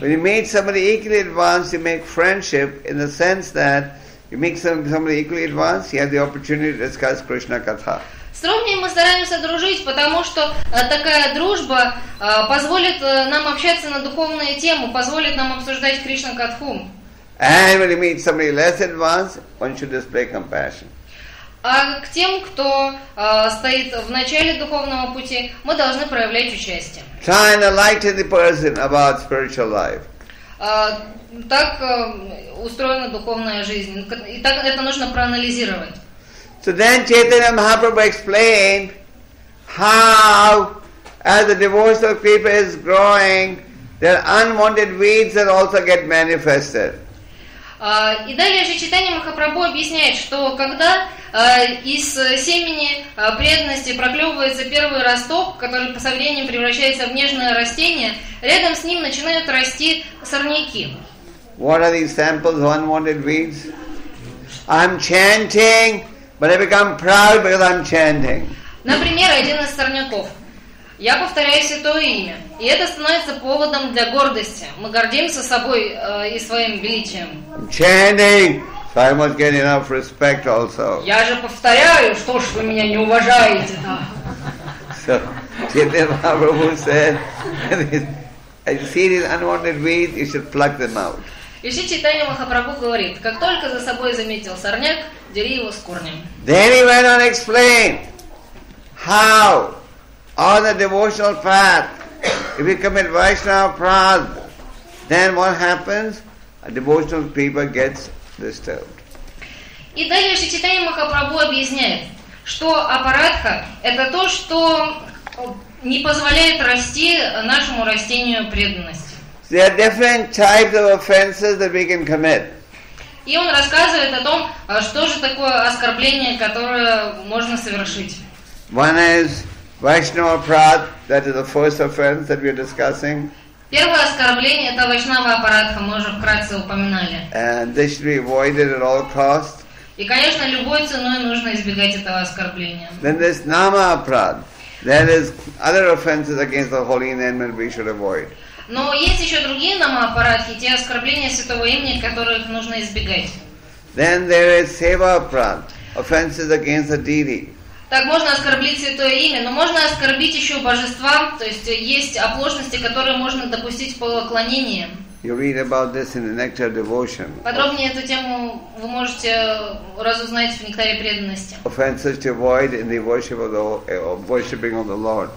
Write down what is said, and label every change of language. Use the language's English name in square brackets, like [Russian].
[English] When you meet somebody equally advanced, you make friendship in the sense that you meet somebody equally advanced, you have the opportunity to discuss Krishna Katha. [Russian] С ровней мы стараемся дружить, потому что такая дружба позволит нам общаться на духовные темы, позволит нам обсуждать Кришна Катху. [English] And when you meet somebody less advanced, one should display compassion. [Russian] А к тем, кто стоит в начале духовного пути, мы должны проявлять участие. [English] Try and enlighten the person about spiritual life. [Russian] Так устроена духовная жизнь. И так это нужно проанализировать. [English] So then Chaitanya Mahaprabhu explained how, as the devotional creeper is growing, their unwanted weeds that also get manifested. [Russian] И далее же Чайтанья Махапрабху объясняет, что когда из семени преданности проклевывается первый росток, который со временем превращается в нежное растение, рядом с ним начинают расти сорняки. [English] What are these samples of unwanted weeds? I'm chanting, but I become proud because I'm chanting. [Russian] Например, один из сорняков. Я повторяю святое имя. И это становится поводом для гордости. Мы гордимся собой и своим величием. [English] Chanting, so I must get enough respect also. [Russian] Я же повторяю, что ж вы меня не уважаете. [English] So, Chaitanya Mahaprabhu said, if you see these unwanted weeds, you should pluck them out. [Russian] Еще Чайтанья Махапрабху говорит, как только за собой заметил сорняк, дери его с корнем. [English] Then he went on explained how on the devotional path, if you commit Vaishnava Prad, then what happens? A devotional creeper gets disturbed. [Russian] И далее же Чайтанья Махапрабху объясняет, что апаратха – это то, что не позволяет расти нашему растению преданности. [English] There are different types of offenses that we can commit. [Russian] И он рассказывает о том, что же такое оскорбление, которое можно совершить. [English] One is Vaishnava Prad, that is the first offense that we are discussing. [Russian] Первое оскорбление – это Вайшнава Апарадха, мы уже вкратце упоминали. [English] And this should be avoided at all costs. [Russian] И, конечно, любой ценой нужно избегать этого оскорбления. [English] Then there's Nama Aparad. That is other offenses against the holy name that we should avoid. [Russian] Но есть еще другие Нама Апарадхи, те оскорбления святого имени, которых нужно избегать. [English] Then there is Seva Aparad, offenses against the deity. [Russian] Так можно оскорбить святое имя, но можно оскорбить еще божества, то есть есть оплошности, которые можно допустить в поклонении. [English] You read about this in the Nectar of Devotion. [Russian] Подробнее эту тему вы можете разузнать в Нектаре преданности. [English] Offenses to avoid in the worship of the worshiping of the Lord.